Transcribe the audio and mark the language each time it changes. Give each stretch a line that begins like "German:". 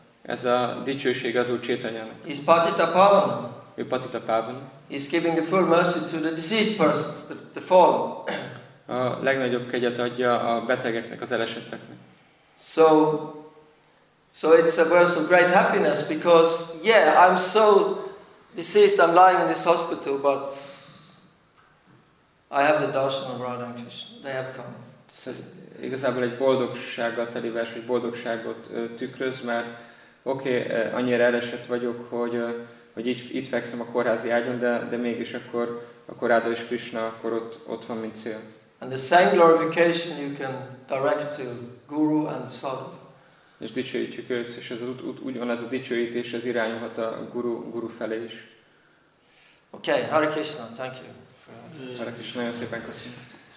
Hungarian: Ez a dicsőség az Úr Chaitanyának.
English: He's Patita Pavan.
Hungarian: Ő Patita Pavan.
English: He's giving the full mercy to the diseased persons, the fallen.
Hungarian: A legnagyobb kegyet adja a betegeknek, az elesetteknek.
English: So it's a verse of great happiness because I'm so diseased, I'm lying in this hospital, but I have the darshan of Radha and Krishna. They have come.
Hungarian: Ez igazából egy boldogsággal teli vers, egy boldogságot tükröz, mert annyira elesett vagyok, hogy itt fekszem a kórházi ágyon, de mégis akkor Radha és Krishna akkor ott van, mint cél.
English: And the same glorification you can direct to Guru and Sadhu.
Hungarian: És dicsőítjük őt, és ez ugyan ez a dicsőítés, ez irányulhat a guru felé is.
English: Okay, Hare Krishna, thank you.
Hungarian: Hare Krishna, nagyon szépen köszönöm.